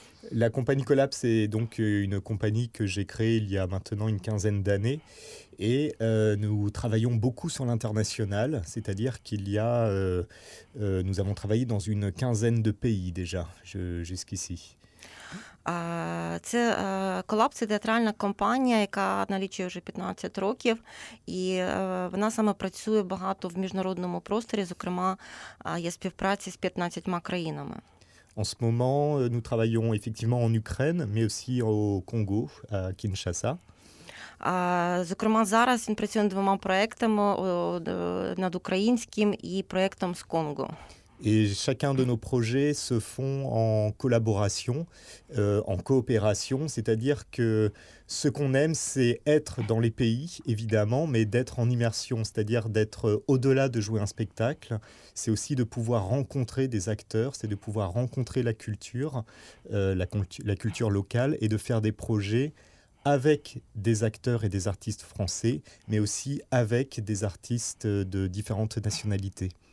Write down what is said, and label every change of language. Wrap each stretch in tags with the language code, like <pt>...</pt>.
<fr>La compagnie Collapse est donc une compagnie que j'ai créée il y a maintenant une quinzaine d'années et nous travaillons beaucoup sur l'international, c'est-à-dire qu'il y a nous avons travaillé dans une quinzaine de pays déjà jusqu'ici.</fr> <uk>Це «Колапс» – театральна компанія, яка налічує вже 15 років, і вона саме працює багато в міжнародному просторі, зокрема, є співпраці з 15 країнами.</uk> <fr>En ce moment, nous travaillons effectivement en Ukraine, mais aussi au Congo, à Kinshasa.</fr> <uk>Зокрема, зараз він працює над двома проектами, над українським і проектом з Конго.</uk> <fr>Et chacun de nos projets se font en collaboration, en coopération, c'est-à-dire que ce qu'on aime, c'est être dans les pays, évidemment, mais d'être en immersion, c'est-à-dire d'être au-delà de jouer un spectacle. C'est aussi de pouvoir rencontrer des acteurs, c'est de pouvoir rencontrer la culture, la culture locale, et de faire des projets avec des acteurs et des artistes français, mais aussi avec des artistes de différentes nationalités.</fr>